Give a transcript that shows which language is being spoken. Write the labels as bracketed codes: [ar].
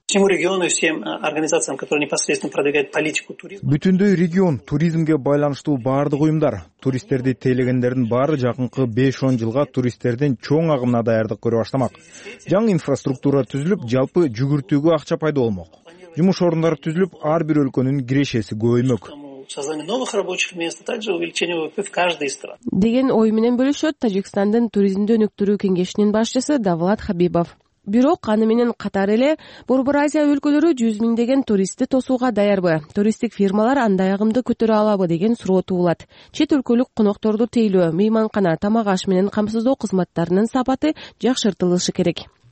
[ky] Бүтүндөй регион, туризмге байланыштуу бардык уюмдар, туристтерди тейлегендердин баары жакынкы 5-10 жылга туристтердин чоң агымына даярдык көрө баштамак. Жаңы инфраструктура түзүлүп, жалпы жүгүртүүгө акча пайда болмок. Жумуш орундары түзүлүп, ар бир өлкөнүн кирешеси көбөймөк. [ru] Создание новых рабочих мест, а также увеличение ВВП в каждой стране. [ky] Деген ой менен бөлүшөт Тажикстандын туризмди өнүктүрүү кеңешинин башчысы Давлат Хабибов. Бирок аны менен катар эле Борбор Азия өлкөлөрү 100 миңдеген туристти тосууга даярбы? Туристтик фирмалар андай агымды көтөрө алабы деген суроо туулат. Чет өлкөлүк конокторду тейлөө, мейманкана, тамак аш менен камсыздоо кызматтарынын сапаты жакшыртылышы керек.